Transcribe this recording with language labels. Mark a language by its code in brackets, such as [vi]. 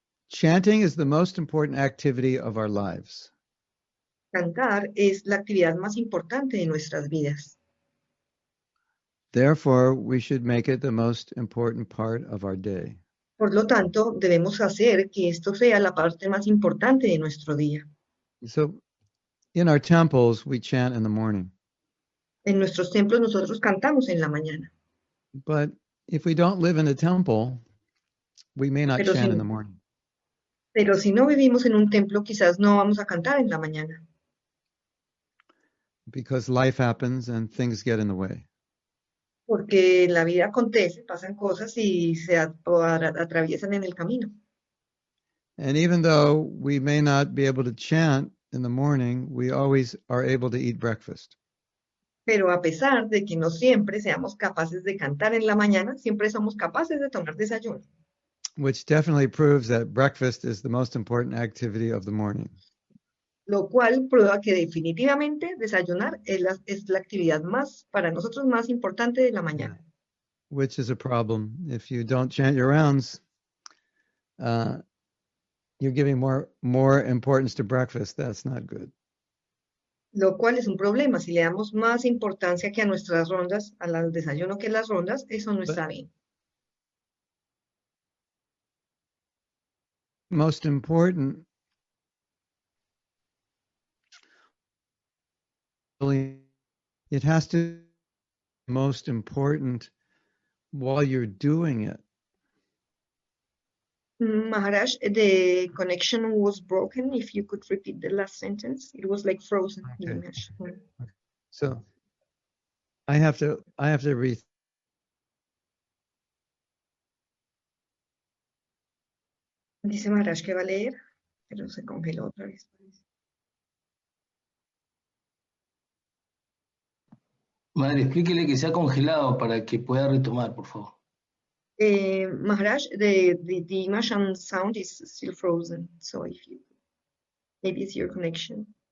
[en] Chanting is the most important activity of our lives. [es] Cantar es la actividad más importante de nuestras vidas. [en] Therefore, we should make it the most important part of our day. [es] Por lo tanto, debemos hacer que esto sea la parte más importante de nuestro día. [en] So, in our temples, we chant in the morning. [es] En nuestros templos nosotros cantamos en la mañana. [en] But if we don't live in a temple, we may not chant in the morning. [es] Pero si no vivimos en un templo, quizás no vamos a cantar en la mañana. [en] Because life happens and things get in the way. [es] Porque la vida acontece, pasan cosas y se atraviesan en el camino. [en] And even though we may not be able to chant in the morning, we always are able to eat breakfast. [es] Pero a pesar de que no siempre seamos capaces de cantar en la mañana, siempre somos capaces de tomar desayuno. [en] Which definitely proves that breakfast is the most important activity of the morning. [es] Lo cual prueba que definitivamente desayunar es la actividad más, para nosotros, más importante de la mañana. [en] Which is a problem. If you don't chant your rounds, you're giving more importance to breakfast. That's not good. [es] Lo cual es un problema. Si le damos más importancia que a nuestras rondas, al desayuno que las rondas, eso no está bien. [en] Most important. It has to be most important while you're doing it. Maharaj, the connection was broken. If you could repeat the last sentence, it was like frozen. Okay. Okay. So I have to rethink. [es] Dice Maharaj que va a leer, pero se congeló otra vez. Madre, explíquele que se ha congelado para que pueda retomar, por favor. [en] Maharaj, the image and sound is still frozen, so if you, maybe it's your connection.